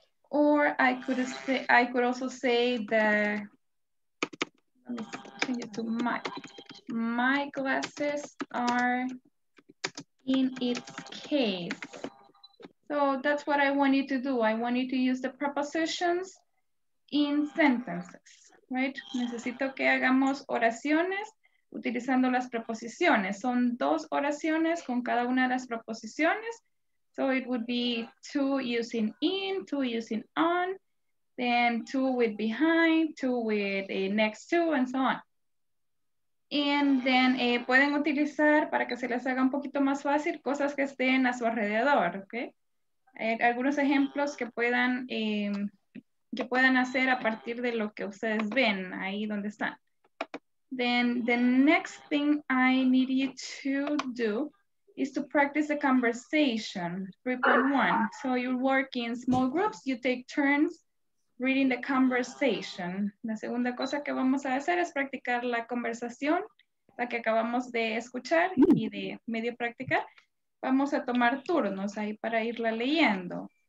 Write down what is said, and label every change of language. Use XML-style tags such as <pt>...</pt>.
<en>Or I could also say let me change it to my glasses are in its case. So that's what I want you to do. I want you to use the prepositions in sentences, right?</en> <es>Necesito que hagamos oraciones utilizando las preposiciones. Son dos oraciones con cada una de las preposiciones.</es> <en>So it would be two using in, two using on, then two with behind, two with next to, and so on. And then</en> <es>pueden utilizar, para que se les haga un poquito más fácil, cosas que estén a su alrededor, okay? Algunos ejemplos que puedan hacer a partir de lo que ustedes ven ahí donde están.</es> <en>Then the next thing I need you to do is to practice the conversation, 3.1. So you work in small groups, you take turns reading the conversation.</en> <es>La segunda cosa que vamos a hacer es practicar la conversación, la que acabamos de escuchar y de medio practicar. Vamos a tomar turnos ahí para irla leyendo.</es>